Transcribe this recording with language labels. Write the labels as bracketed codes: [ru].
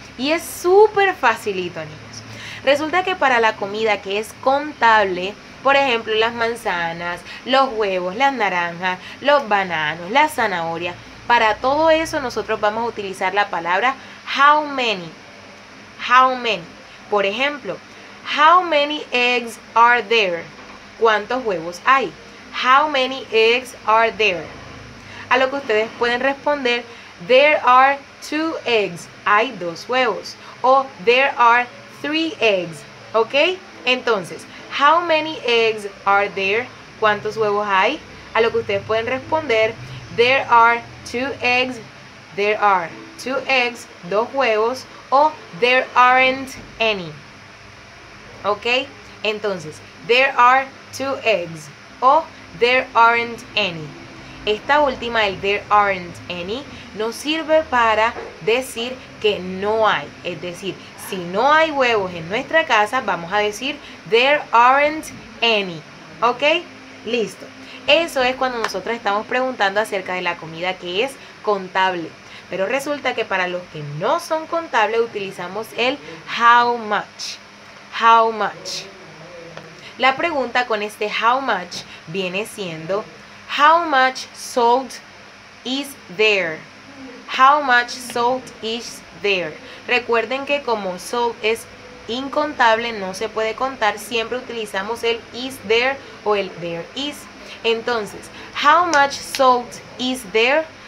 [es] Y es súper facilito, niños. Resulta que para la comida que es contable, por ejemplo, las manzanas, los huevos, las naranjas, los bananos, las zanahorias, para todo eso nosotros vamos a utilizar la palabra how many. [en] How many. [es] Por ejemplo, [en] how many eggs are there? [es] ¿Cuántos huevos hay? [en] How many eggs are there? [es] A lo que ustedes pueden responder, [en] there are two eggs. [es] Hay dos huevos. O [en] there are three eggs. [es] ¿Ok? Entonces, [en] how many eggs are there? [es] ¿Cuántos huevos hay? A lo que ustedes pueden responder, [en] there are two eggs, [es] there are two eggs, dos huevos, o [en] there aren't any. [es] ¿Ok? Entonces, [en] there are two eggs, [es] o [en] there aren't any. [es] Esta última, el [en] there aren't any, [es] nos sirve para decir que no hay, es decir, si no hay huevos en nuestra casa, vamos a decir there aren't any, ¿ok? Listo. Eso es cuando nosotros estamos preguntando acerca de la comida que es contable. Pero resulta que para los que no son contables utilizamos el how much. [en] How much. [es] La pregunta con este [en] how much [es] viene siendo [en] how much salt is there? How much salt is there? [es] Recuerden que como salt es incontable, no se puede contar, siempre utilizamos el is there o el there is. Entonces, [en] how much salt is there?